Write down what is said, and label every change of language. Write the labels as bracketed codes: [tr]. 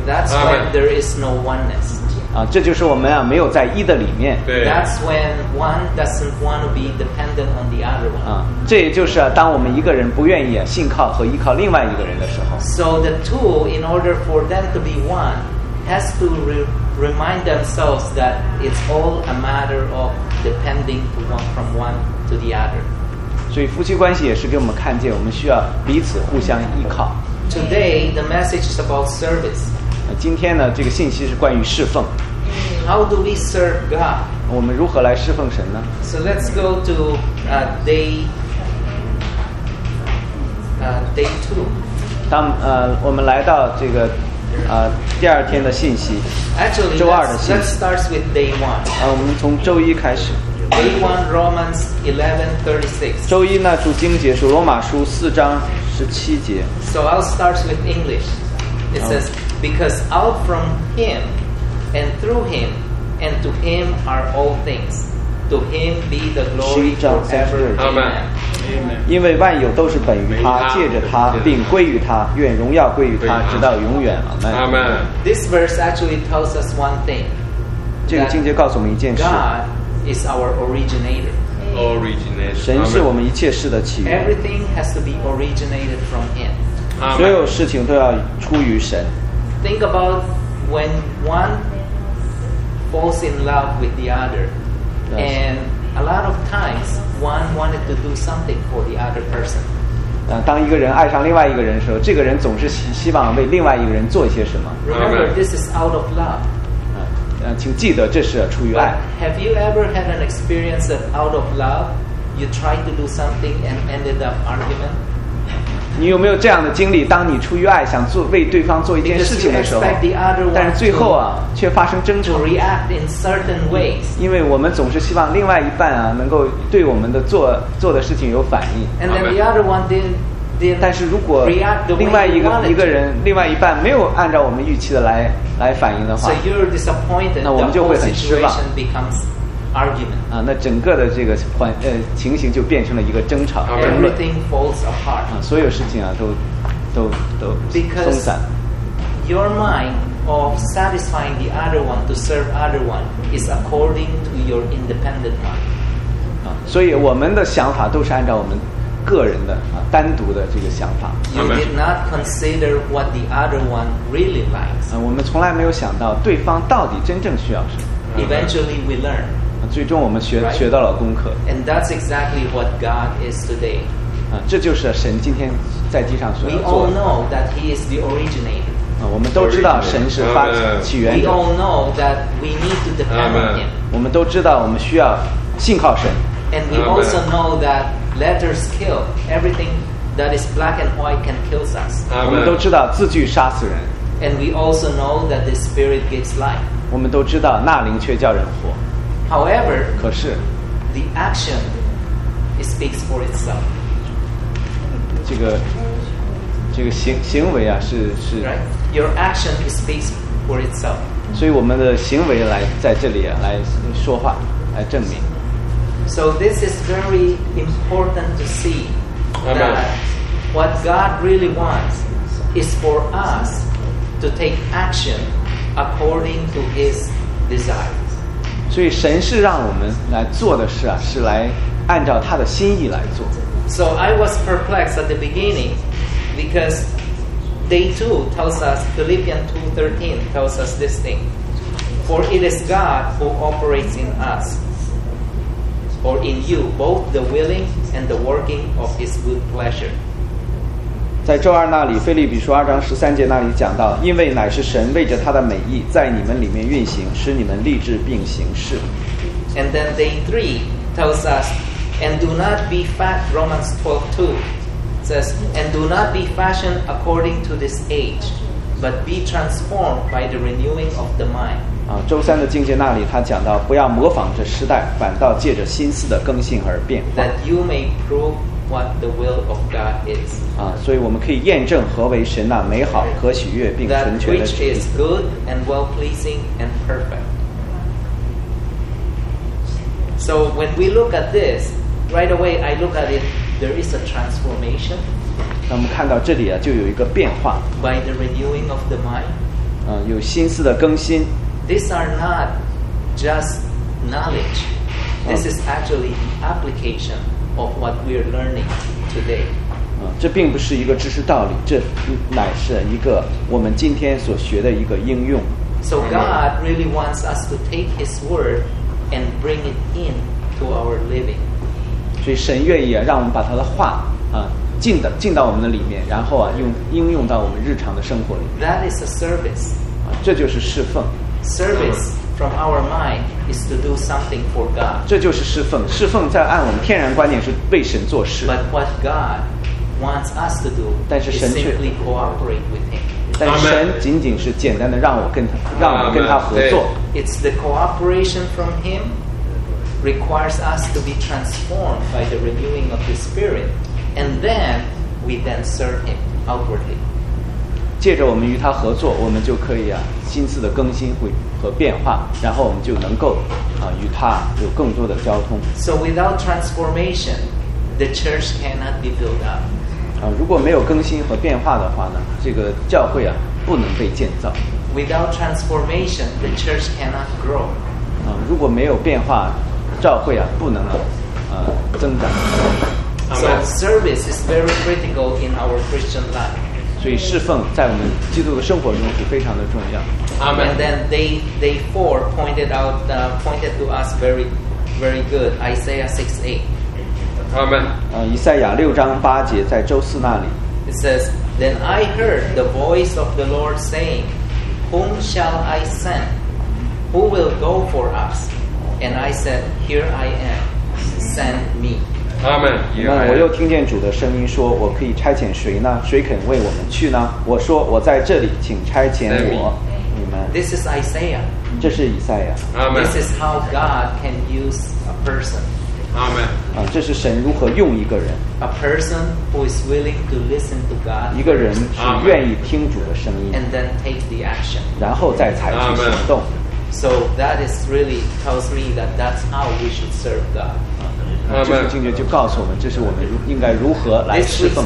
[en] That's when there is no oneness. [zh] 这就是我们啊没有在一的里面。对。 [en] That's when one doesn't want to be dependent on the other one. [zh] 这也就是啊，当我们一个人不愿意信靠和依靠另外一个人的时候。 [en] So the two, in order for them to be one, has to remind themselves that it's all a matter of depending from one to the other. [zh] 所以夫妻关系也是给我们看见，我们需要彼此互相依靠。 [en] Today the message is about service. [zh] 今天呢，这个信息是关于侍奉。 [en] How do we serve God? [zh] 我们如何来侍奉神呢 [en] ？So let's go to day two. [zh] 当我们来到这个。第二天的信息 [en] Actually, [zh] 周二的信息 [en] let's start with day one. [zh] 我们从周一开始 [en] Day one, Romans 11:36. [zh] 周一呢主经节是罗马书四章十七节 [en] So I'll start with English. It says, Because out from him and through him and to him are all things. To him be the glory forever. Amen. [zh] 因为万有都是本于他借着他并归于他愿荣耀归于他直到永远 [en] Amen. This verse actually tells us one thing [zh] 这个经节告诉我们一件事 [en] God is our originator. Originator [zh] 神是我们一切事的起源 [en] Everything has to be originated from him、 Amen. [zh] 所有事情都要出于神 [en] Think about when one falls in love with the other and a lot of timesOne wanted to do something for the other person. [zh] 当一个人爱上另外一个人的时候，这个人总是希望为另外一个人做一些什么。 [en] Remember, this is out of love. [zh] 请记得这是出于爱。 [en] But have you ever had an experience that out of love, you tried to do something and ended up argument? [zh] 你有没有这样的经历？当你出于爱想做为对方做一件事情的时候， [en] Because you expect the other one [zh] 但是最后啊，却发生争吵。 [en] To react in certain ways. [zh] 因为我们总是希望另外一半啊，能够对我们的做的事情有反应。 [en] And then the other one didn't. [zh] 但是如果另外一个人，另外一半没有按照我们预期的来反应的话， [en] So you're disappointed. [zh] 那我们就会很失望。 [en] Argument. [zh] 那整个的这个情形就变成了一个争吵。 [en] Everything falls apart. [zh] 所有事情啊都 [en] Because [zh] 松散。 [en] Your mind of satisfying the other one to serve other one is according to your independent mind. [zh] 所以我们的想法都是按照我们个人的单独的这个想法。 [en] You did not consider what the other one really likes. [zh] 我们从来没有想到对方到底真正需要什么。 [en] Eventually we learn. [zh] 最终我们学到了功课。 [en] And that's exactly what God is today. [zh] 这就是神今天在地上所要做的。 [en] We all know that He is the originator. [zh] 我们都知道神是发起源者。 [en] We all know that we need to depend on Him. [zh] 我们都知道我们需要信靠神。 [en] And we also know that letters kill. Everything that is black and white can kill us. [zh] 我们都知道字句杀死人。 [en] And we also know that the Spirit gives life. [zh] 我们都知道那灵却叫人活。 [en] However, [zh] 可是 [en] the action it speaks for itself. [zh] 这个行为啊是 [en] Right. Your action speaks for itself. [zh] 所以我们的行为来在这里啊来说话来证明。 [en] So this is very important to see that what God really wants is for us to take action according to His desire. [zh] 所以神是让我们来做的事啊，是来按照他的心意来做。 [en] So I was perplexed at the beginning because day two tells us, Philippians 2:13 tells us this thing. For it is God who operates in us or in you, both the willing and the working of his good pleasure. [zh] 在周二那里，腓立比书二章十三节那里讲到，因为乃是神为着他的美意在你们里面运行，使你们立志并行事。 [en] And then day three tells us, and do not be fat. Romans 12:2 says, and do not be fashioned according to this age, but be transformed by the renewing of the mind. [zh] 周三的境界那里他讲到，不要模仿这时代，反倒借着心思的更新而变化。 [en] That you may prove. What the will of God is. [zh] 所以我们可以验证何为神那美好、可喜悦并纯全的旨意。 [en] That which is good and well pleasing and perfect. So when we look at this, right away I look at it, there is a transformation. [zh] 那我们看到这里啊，就有一个变化。 [en] By the renewing of the mind. [zh] 有心思的更新。 [en] These are not just knowledge. This is actually the application of what we are learning today. [zh] 这并不是一个知识道理，这乃是一个我们今天所学的一个应用。 [en] So God really wants us to take His word and bring it into our living. [zh] 所以神愿意啊，让我们把他的话啊进到我们的里面，然后啊应用到我们日常的生活里。 [en] That is a service. [zh] 这就是侍奉。 [en] Service from our mind is to do something for God. [zh] 这就是侍奉。侍奉在按我们天然观念是为神做事。 [en] But what God wants us to do is simply cooperate with Him. [zh] 但神仅仅是简单的让我跟他合作。 [en] It's the cooperation from Him requires us to be transformed by the renewing of the Spirit, and then we then serve Him outwardly. [zh] 借着我们与他合作，我们就可以啊心思的更新和变化，然后我们就能够啊与他有更多的交通。 [en] So without transformation, the church cannot be built up. [zh] 如果没有更新和变化的话呢，这个教会啊不能被建造。 [en] Without transformation, the church cannot grow. [zh] 如果没有变化，教会啊不能增长。 [en] So service is very critical in our Christian life. [zh] 所以侍奉在我们基督的生活中是非常的重要。 [en] Amen. And then day four pointed to us very, very good. Isaiah 6:8. [zh] 以赛亚六章八节在周四那里。 [en] It says, Then I heard the voice of the Lord saying, Whom shall I send? Who will go for us? And I said, Here I am, send me. Amen. [zh] 那我又听见主的声音说，我可以差遣谁呢？谁肯为我们去呢？我说，我在这里，请差遣我。 [en] Amen. This is Isaiah. [zh] 这是以赛亚。 [en] Amen. This is how God can use a person. Amen. [zh] 这是神如何用一个人。 [en] A person who is willing to listen to God. [zh] 一个人是愿意听主的声音。 [en] And then take the action. [zh] 然后再采取行动。 [en] So that is really tells me that that's how we should serve God. [zh] 这个经节就告诉我们，这是我们应该如何来侍奉。